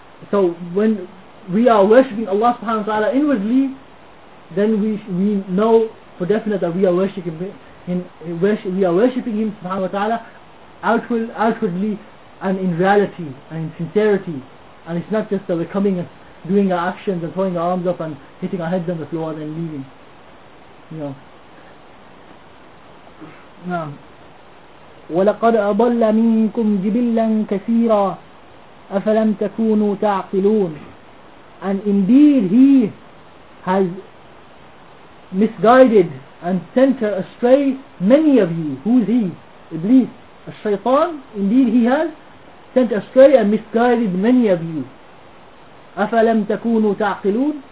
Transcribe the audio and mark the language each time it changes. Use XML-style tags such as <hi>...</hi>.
<en>So when we are worshipping Allah subhanahu wa ta'ala inwardly, then we know for definite that we are worshipping Him. We are worshipping Him subhanahu wa ta'ala outwardly and in reality and in sincerity. And it's not just that we're coming and doing our actions and throwing our arms up and hitting our heads on the floor and then leaving.</en> <ar>نعم نعم ولقد أضل منكم جبلا كثيرا أفلم تكونوا تعقلون.</ar> <en>And indeed he has misguided and sent astray many of you. Who's he? Iblis, a shaitan. Indeed he has sent astray and misguided many of you.</en> <ar>أَفَلَمْ تَكُونُوا تَعْقِلُونَ.</ar>